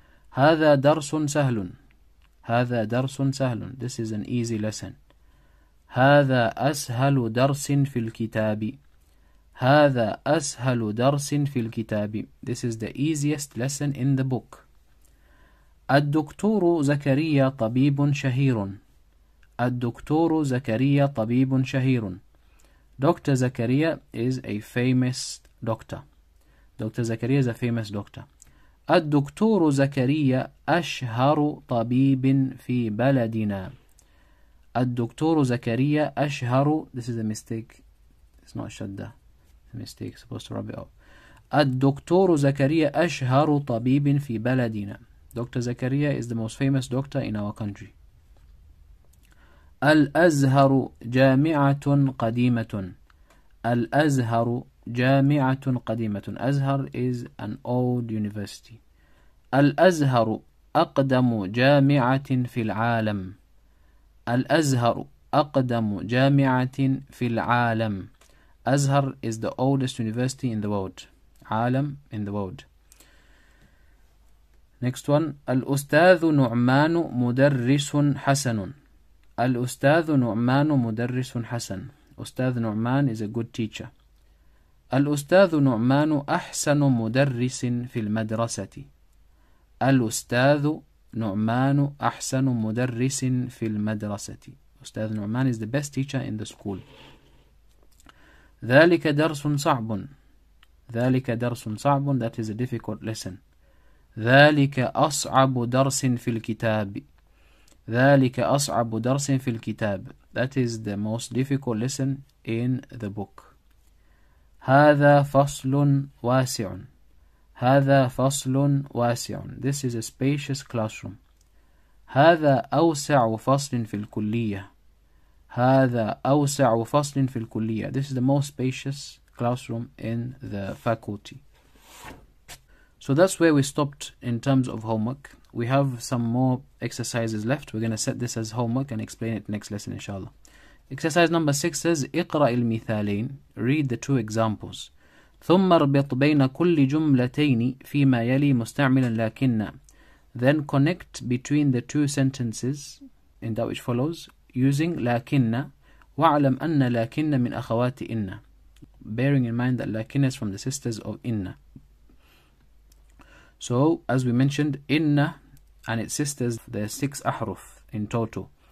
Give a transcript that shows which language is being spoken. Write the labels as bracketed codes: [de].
[ar] هذا درس سهل. هذا درس سهل. [en] This is an easy lesson. [ar] هذا أسهل درس في الكتاب. هذا أسهل درس في الكتاب. [en] This is the easiest lesson in the book. [ar] الدكتور زكريا طبيب شهير. الدكتور زكريا طبيب شهير. [en] Dr. زكريا is a famous doctor. Dr. زكريا is a famous doctor. [ar] الدكتور زكريا أشهر طبيب في بلدنا. الدكتور زكريا أشهر. [en] This is a mistake. It's not shadda. A mistake. It's supposed to rub it off. [ar] الدكتور زكريا أشهر طبيب في بلدنا. [en] Dr. Zakaria is the most famous doctor in our country. [ar] الأزهر جامعة قديمة. الأزهر جامعة قديمة. [en] أزهر is an old university. [ar] الأزهر أقدم جامعة في العالم. الأزهر أقدم جامعة في العالم. [en] Azhar is the oldest university in the world. عالم in the world. Next one. [ar] الأستاذ نعمان مدرس حسن. الأستاذ نعمان مدرس حسن. [en] أستاذ نعمان is a good teacher. [ar] الأستاذ نعمان أحسن مدرس في المدرسة. الأستاذ نعمان أحسن مدرس في المدرسة. [en] أستاذ نعمان is the best teacher in the school. [ar] ذلك درس صعب. ذلك درس صعب. [en] That is a difficult lesson. [ar] ذلك أصعب درس في الكتاب. ذلك أصعب درس في الكتاب. [en] That is the most difficult lesson in the book. [ar] هذا فصل واسع. هذا فصل واسع. [en] This is a spacious classroom. [ar] هذا أوسع فصل في الكلية. هذا أوسع فصل في الكلية. [en] This is the most spacious classroom in the faculty. So that's where we stopped in terms of homework. We have some more exercises left. We're going to set this as homework and explain it next lesson, inshallah. Exercise number 6 says, [ar] اقرأ المثالين. [en] Read the two examples. [ar] ثم اربط بين كل جملتين فيما يلي مستعملا لكن. [en] Then connect between the two sentences in that which follows using لكن. [ar] واعلم أن لكن من أخوات إن. [en] Bearing in mind that لكن is from the sisters of إن. So, as we mentioned, Inna and its sisters, there are 6 ahruf in total.